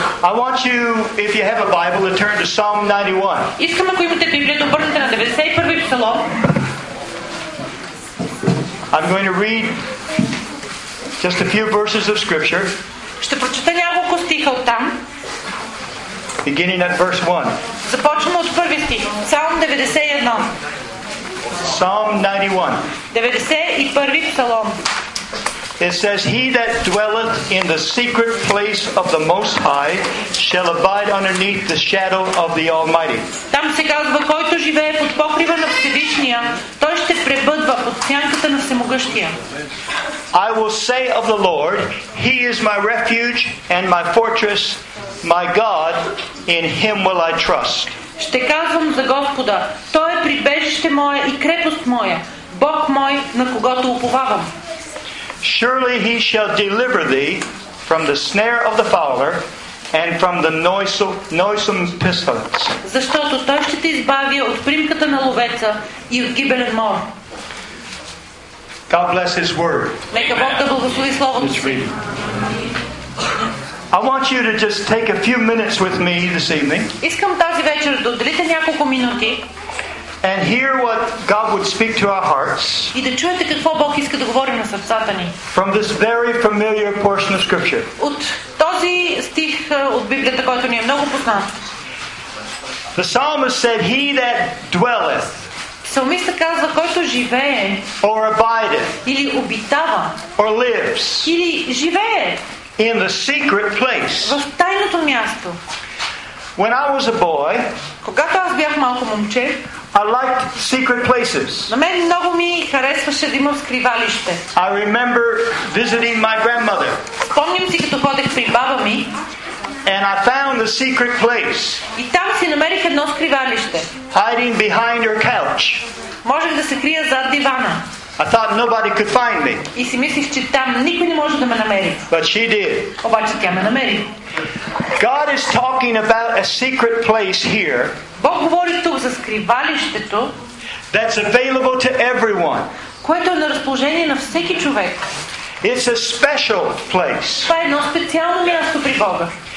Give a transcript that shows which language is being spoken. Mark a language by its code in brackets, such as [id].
[en] I want you, if you have a Bible, to turn to Psalm 91. [bg] Искам, ако имате Библия, да обърнете на 91-ви псалом. [en] I'm going to read just a few verses of Scripture. [bg] Ще прочета няколко стиха от там. [en] Beginning at verse 1. [bg] Започваме от първи стих. Псалом 91. [en] Psalm 91. [bg] 91-ви псалом. [en] It says, He that dwelleth in the secret place of the Most High shall abide underneath the shadow of the Almighty. [bg] Там се казва, който живее под покрива на Всевишния, той ще пребъдва под сянката на Всемогъщия. [en] I will say of the Lord, He is my refuge and my fortress, my God, in Him will I trust. [bg] Ще казвам за Господа, Той е прибежище мое и крепост моя, Бог мой, на когото уповавам. [en] Surely he shall deliver thee from the snare of the fowler and from the noisome pestilence. [bg] Защото той ще те избави от примката на ловеца и от гибелен мор. [en] God bless his word. [bg] Нека Бог да благослови словото си. [en] I want you to just take a few minutes with me this evening. [bg] Искам тази вечер да отделите няколко минути. [en] And hear what God would speak to our hearts. [bg] И да чуете какво Бог иска да говори на сърцата ни. [en] From this very familiar portion of Scripture. [bg] От този стих от Библията, който ни е много познат. [en] The psalmist said, "He that dwelleth." [bg] Псалмистът казва, който живее. [en] Or abideth. [bg] Или обитава. [en] Or lives. [bg] Или живее. [en] In the secret place. [bg] В тайното място. [en] When I was a boy, [bg] когато аз бях малко момче, [en] I liked secret places. [bg] На мен много ми харесваше да имам скривалище. [en] I remember visiting my grandmother. [bg] Спомням си, като ходех при баба ми. [en] And I found the secret place. [bg] И там си намерих едно скривалище. [en] Hiding behind her couch. [bg] Можех да се крия зад дивана. [en] I thought nobody could find me. [bg] И си мислих, че там никой не може да ме намери. [en] But she did. [bg] Обаче тя ме намери. [en] God is talking about a secret place here. [bg] Бог говори тук за скривалището. [en] That's available to everyone. [bg] Което е на разположение на всеки човек. [en] It's a special place. [bg] Това е едно специално място при Бога.